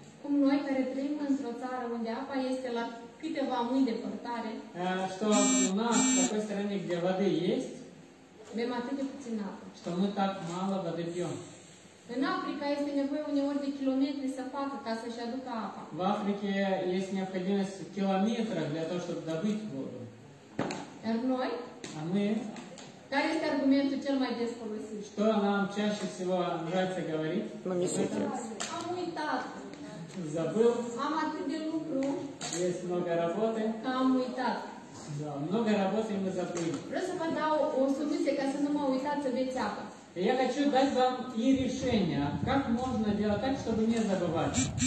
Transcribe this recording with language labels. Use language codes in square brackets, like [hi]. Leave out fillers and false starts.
[ro] Cum noi care trăim într-o țară unde apa este la câteva mâini depărtare, [ru] что у нас в такой стране, где воды есть, [ro] bem atât de puțin apă, [ru] что мы так мало воды пьем. [ro] În Africa este nevoie uneori de kilometri să facă ca să-și aducă apa. [ru] В Африке есть необходимость километров для того, чтобы добыть воду. [ro] Iar noi? [ru] А мы? [ro] Care este argumentul cel mai des folosit? [ru] Что нам чаще всего нравится говорить? Ну, не суть. [ro] Am uitat. [ru] Забыл. [ro] Am atât de lucru. [ru] Есть много работы. [ro] Am uitat. [ru] Да, много работы мы забыли. [ro] Vreau să vă dau o soluție ca să nu mă uitați să beți apă. [ru] Я хочу дать вам и решение, как можно делать так, чтобы не забывать.